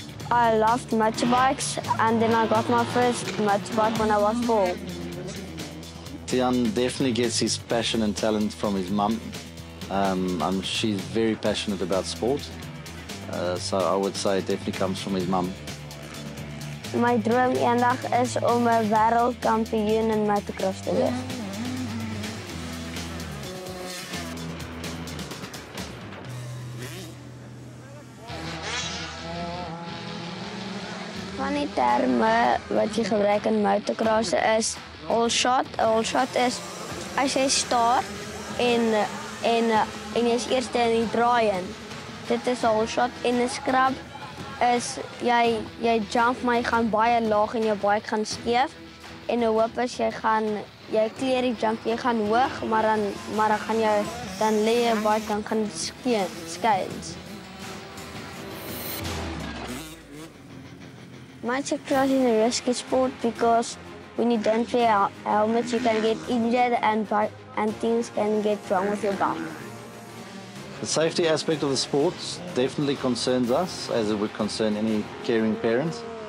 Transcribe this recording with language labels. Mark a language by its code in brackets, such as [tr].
[en] I loved motorbikes and then I got my first motorbike when I was 4. Tiaan definitely gets his passion and talent from his mum. She's very passionate about sport. So I would say it definitely comes from his mum. My dream [af] eendag is om 'n wêreldkampioen in motocross te wees. Van die terme wat jy gebruik in motocross is all shot. All shot is as jy start en jy is eerste in die draai in. Dit is all shot en 'n scrub. Is jy jump maar jy gaan baie laag en jou bike gaan skeef en nou hoop as jy klier die jump, jy gaan hoog maar dan gaan jy dan lê jy bike dan gaan skeins. [en] Motocross is a risky sport because when you don't wear helmets you can get injured and things can get wrong with your bike. The safety aspect of the sport definitely concerns us, as it would concern any caring parents.